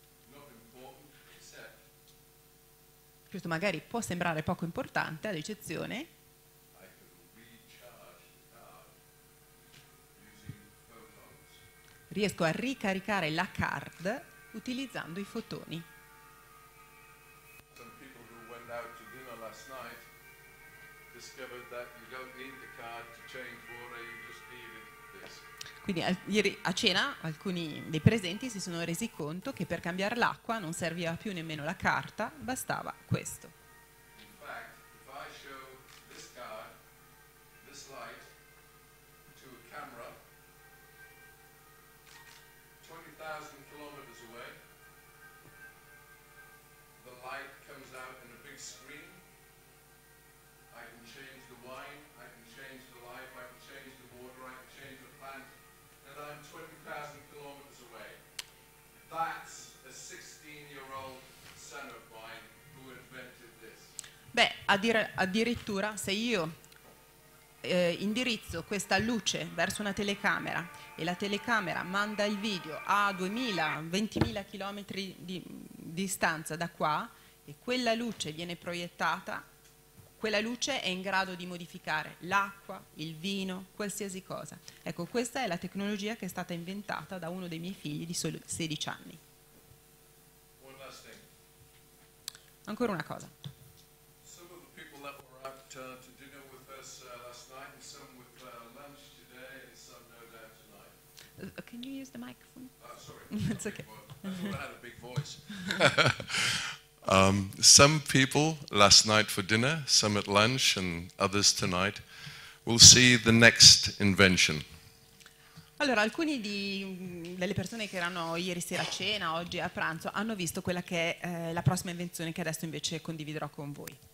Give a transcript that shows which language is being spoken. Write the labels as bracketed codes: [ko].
[en] Not important, except. [it] Questo magari può sembrare poco importante, ad eccezione. [en] I can recharge the card using photons. [it] Riesco a ricaricare la card utilizzando i fotoni. [en] Some people who went out to dinner last night discovered that you don't need the card to change water, you just need it this. [it] Quindi ieri a cena alcuni dei presenti si sono resi conto che per cambiare l'acqua non serviva più nemmeno la carta, bastava questo. [en] In fact, if I show this card, this light, to a camera 20,000 kilometers away, the light comes out in a big screen. I can change the wine, I can change the life, I can change the water, I can change the plant, and I'm 20,000 kilometers away. That's a 16-year-old son of mine who invented this. [it] Beh, addirittura se io indirizzo questa luce verso una telecamera e la telecamera manda il video a 20.000 chilometri di distanza da qua e quella luce viene proiettata, quella luce è in grado di modificare l'acqua, il vino, qualsiasi cosa. Ecco, questa è la tecnologia che è stata inventata da uno dei miei figli di soli 16 anni. [en] One last thing. [it] Ancora una cosa. [en] Some of the people that were out to dinner with us last night and some with lunch today and some no doubt tonight. Can you use the microphone? Oh, sorry. It's okay. I thought I had a big voice. Some people last night for dinner, some at lunch, and others tonight will see the next invention. [it] Allora, alcuni di delle persone che erano ieri sera a cena, oggi a pranzo, hanno visto quella che è la prossima invenzione che adesso invece condividerò con voi.